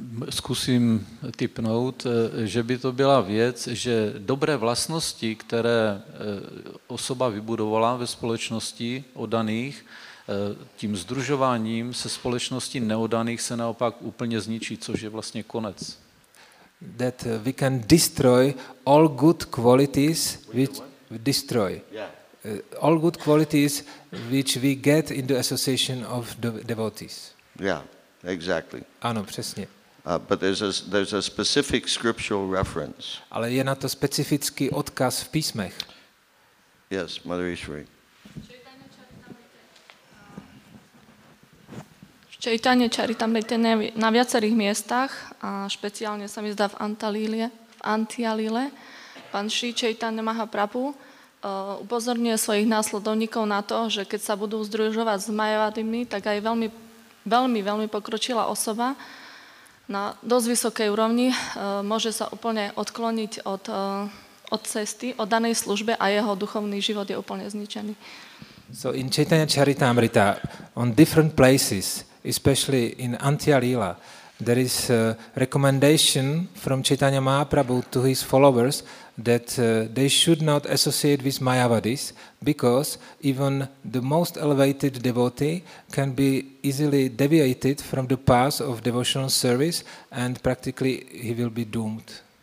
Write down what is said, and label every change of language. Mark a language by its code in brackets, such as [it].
[cs] Zkusím tipnout, že by to byla věc, že dobré vlastnosti, které osoba vybudovala ve společnosti oddaných, tím združováním se společností neoddaných se naopak úplně zničí, což je vlastně konec. [en] That we can destroy all good qualities which destroy. Yeah. All good qualities which we get in the association of the devotees. Yeah, exactly. [cs] Ano, přesně. [en] But there's a specific scriptural reference. [cs] Ale je na to specifický odkaz v písmech. [en] Yes, Mother Ishwari. [sk] Čaitanya Charitamrita na viacerých miestach a špeciálne sa mi zdá v Antialile pán Sri Chaitanya Mahaprabhu upozorňuje svojich následovníkov na to, že keď sa budú združovať s Mayavadimi, tak aj veľmi, veľmi, veľmi pokročilá osoba na dosť vysokej úrovni môže sa úplne odkloniť od cesty, od danej službe a jeho duchovný život je úplne zničený. [en] So in Chaitanya Charitamrita on different places, especially in Antialila, there is a recommendation from Chaitanya Mahaprabhu to his followers that they should not associate with Mayavadis because even the most elevated devotee can be easily deviated from the path of devotional service and practically he will be doomed.